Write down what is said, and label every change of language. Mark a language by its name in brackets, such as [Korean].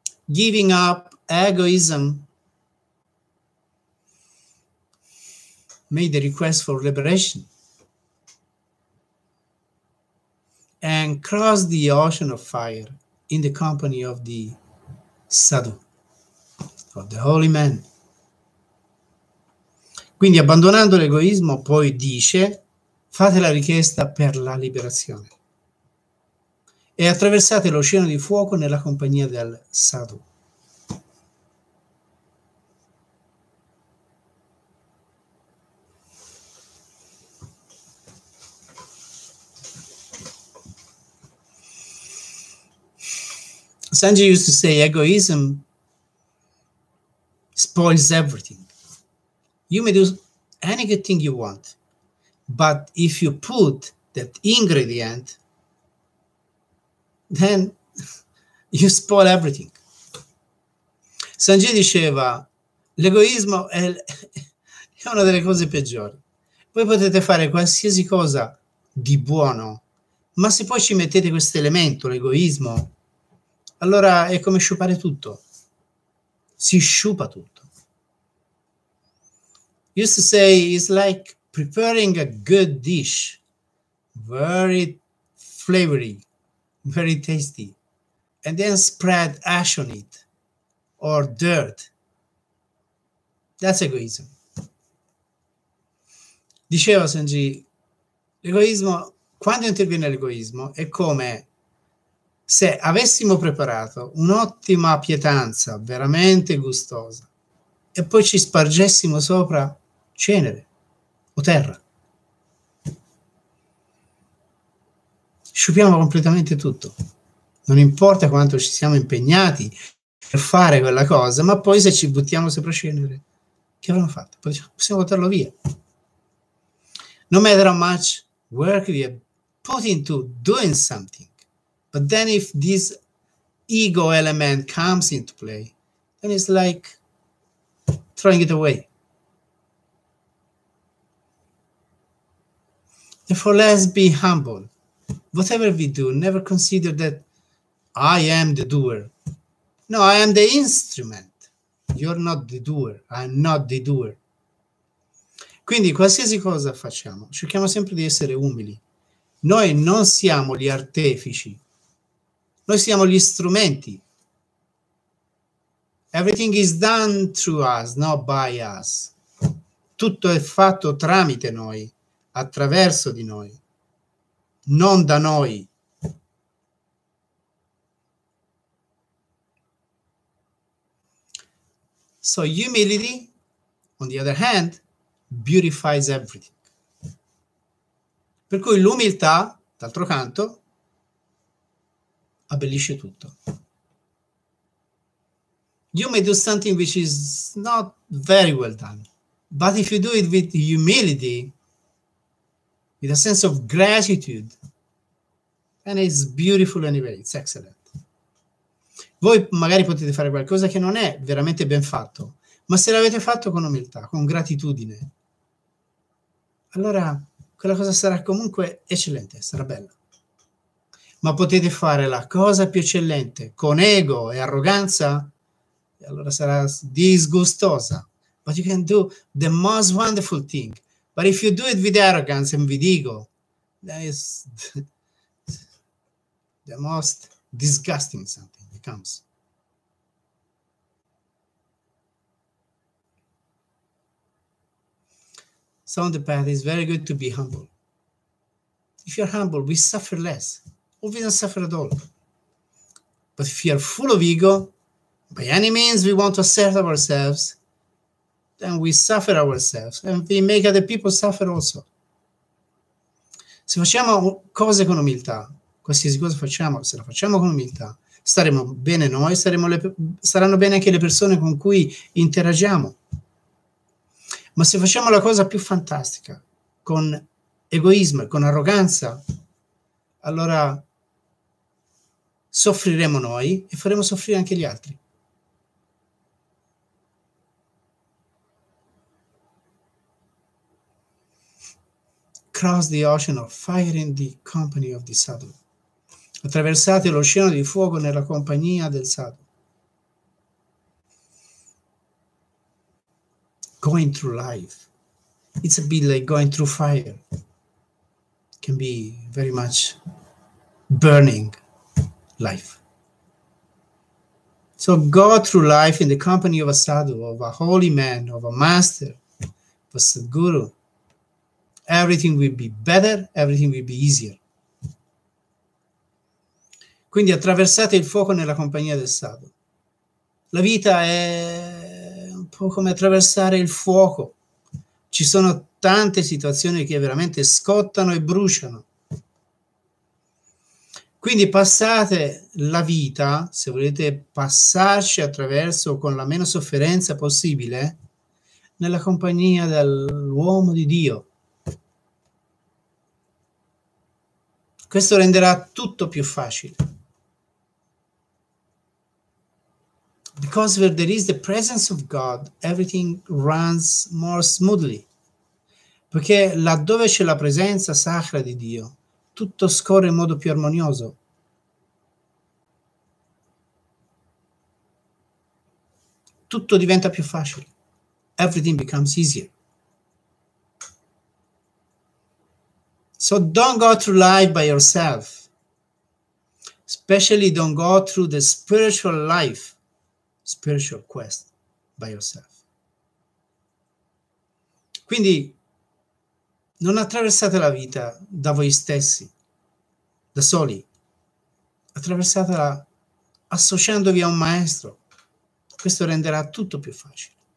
[English] Giving up egoism made the request for liberation and crossed the ocean of fire in the company of the sadhu, of the holy man. [Italian] Quindi abbandonando l'egoismo, poi dice, fate la richiesta per la liberazione e attraversate l'oceano di fuoco nella compagnia del sadhu. [English] Sanji used to say, egoism spoils everything. You may do any good thing you want, but if you put that ingredient, then you spoil everything. [Italian] Sanji diceva, l'egoismo è una delle cose peggiori. Voi potete fare qualsiasi cosa di buono, ma se poi ci mettete questo elemento, l'egoismo, allora è come sciupare tutto. Si sciupa tutto. [English] Used to say it's like preparing a good dish, very flavory, very tasty, and then spread ash on it or dirt. That's egoism. [Italian] Diceva Sanji, l'egoismo, quando interviene l'egoismo, è come se avessimo preparato un'ottima pietanza, veramente gustosa, e poi ci spargessimo sopra cenere o terra. Sciupiamo completamente tutto. Non importa quanto ci siamo impegnati, per fare quella cosa, ma poi se ci buttiamo sopra cenere, che avremmo fatto? Possiamo buttarlo via. [English] No matter how much work we have put into doing something, but then if this ego element comes into play, then it's like throwing it away. Therefore, let's be humble. Whatever we do, never consider that I am the doer. No, I am the instrument. You're not the doer. I'm not the doer. [Italian] Quindi, qualsiasi cosa facciamo, cerchiamo sempre di essere umili. Noi non siamo gli artefici. Noi siamo gli strumenti. [English] Everything is done through us, not by us. [Italian] Tutto è fatto tramite noi, attraverso di noi, non da noi. [English] So humility, on the other hand, beautifies everything. [Italian] Per cui l'umiltà, d'altro canto, abbellisce tutto. [English] You may do something which is not very well done, but if you do it with humility, with a sense of gratitude, then it's beautiful anyway, it's excellent. [Italian] Voi magari potete fare qualcosa che non è veramente ben fatto, ma se l'avete fatto con umiltà, con gratitudine, allora quella cosa sarà comunque eccellente, sarà bella. Ma potete fare la cosa più eccellente con ego e arroganza, e allora sarà disgustosa. [English] But you can do the most wonderful thing. But if you do it with arrogance and with ego, that is the most disgusting something that comes. So on the path, it's very good to be humble. If you're humble, we suffer less. Or we don't suffer at all. But if you are full of ego, by any means we want to assert ourselves, then we suffer ourselves and we make other people suffer also. [Italian] Se facciamo cose con umiltà, qualsiasi cosa facciamo, se la facciamo con umiltà, staremo bene noi, saranno bene anche le persone con cui interagiamo. Ma se facciamo la cosa più fantastica, con egoismo, con arroganza, allora soffriremo noi e faremo soffrire anche gli altri. [English] Cross the ocean of fire in the company of the sadhu. [Italian] Attraversate l'oceano di fuoco nella compagnia del sadhu. [English] Going through life, it's a bit like going through fire. Can be very much burning. Life. So go through life in the company of a sadhu, of a holy man, of a master, of a sadguru. Everything will be better, everything will be easier. [Italian] Quindi attraversate il fuoco nella compagnia del sadhu. La vita è un po' come attraversare il fuoco. Ci sono tante situazioni che veramente scottano e bruciano. Quindi passate la vita, se volete passarci attraverso con la meno sofferenza possibile, nella compagnia dell'uomo di Dio. Questo renderà tutto più facile. [English] Because where there is the presence of God, everything runs more smoothly. [Italian] Perché laddove c'è la presenza sacra di Dio, tutto scorre in modo più armonioso. Tutto diventa più facile. [English] Everything becomes easier. So don't go through life by yourself. Especially don't go through the spiritual life, spiritual quest, by yourself. [Italian] Quindi non attraversate la vita da voi stessi, da soli. Attraversatela associandovi a un maestro. Questo renderà tutto più facile.